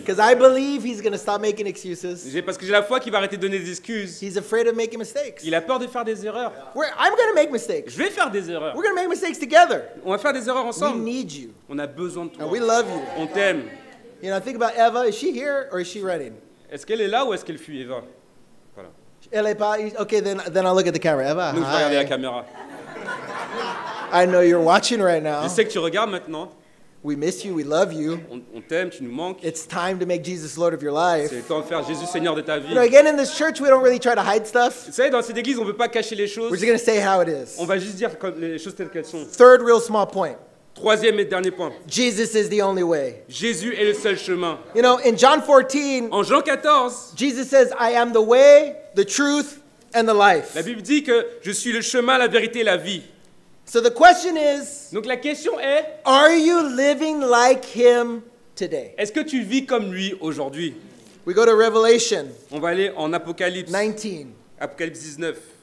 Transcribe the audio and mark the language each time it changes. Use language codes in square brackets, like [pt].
[en] Because I believe he's going to stop making excuses. [fr] Parce que j'ai la foi qu'il va arrêter de donner des excuses. [en] He's afraid of making mistakes. [fr] Il a peur de faire des erreurs. [en] I'm going to make mistakes. [fr] Je vais faire des erreurs. [en] We're going to make mistakes together. [fr] On va faire des erreurs ensemble. [en] We need you. [fr] On a besoin de toi. [en] And we love you. [fr] On t'aime. [en] You know, I think about Eva. Is she here or is she running? [fr] Est-ce qu'elle est là ou est-ce qu'elle fuit, Eva? Elle est pas. [en] Okay, then I'll look at the camera. Eva, [fr] nous, [en] hi. [fr] Je regarde la caméra. [en] I know you're watching right now. [fr] Je sais que tu regardes maintenant. [en] We miss you. We love you. [fr] On t'aime. Tu nous manques. [en] It's time to make Jesus Lord of your life. [fr] C'est temps de faire Jésus Seigneur de ta vie. [en] You know, again, in this church, we don't really try to hide stuff. [fr] Tu sais, dans cette église, on veut pas cacher les choses. [en] We're just gonna say how it is. [fr] On va juste dire les choses telles qu'elles sont. [en] Third real small point. [fr] Troisième et dernier point. [en] Jesus is the only way. [fr] Jésus est le seul chemin. [en] You know, in John 14. [fr] En Jean 14. [en] Jesus says, "I am the way, the truth, and the life." [fr] La Bible dit que je suis le chemin, la vérité, la vie. [en] So the question is, [fr] donc la question est, [en] are you living like him today? [fr] Est-ce que tu vis comme lui aujourd'hui? [en] We go to Revelation. [fr] On va aller en Apocalypse [en] 19. [fr] Apocalypse 19.